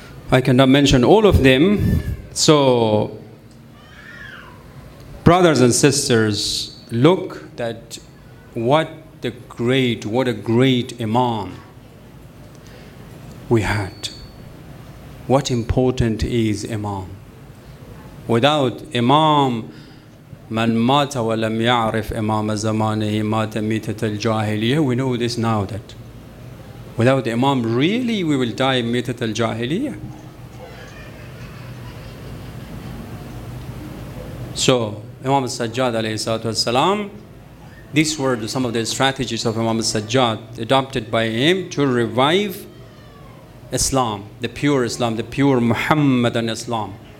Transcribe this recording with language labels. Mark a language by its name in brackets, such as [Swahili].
[English] I cannot mention all of them. So, brothers and sisters, look at what a great Imam we had. What important is Imam? Without Imam, [Arabic] من مات ولم يعرف إمام زمانه مات ميتة الجاهلية. [English] We know this now that without Imam, really we will die [Arabic] ميتة الجاهلية. [English] So Imam Sajjad [Arabic] عليه الصلاة والسلام, [English] these were some of the strategies of Imam Sajjad adopted by him to revive Islam, the pure Islam, the pure Muhammadan Islam.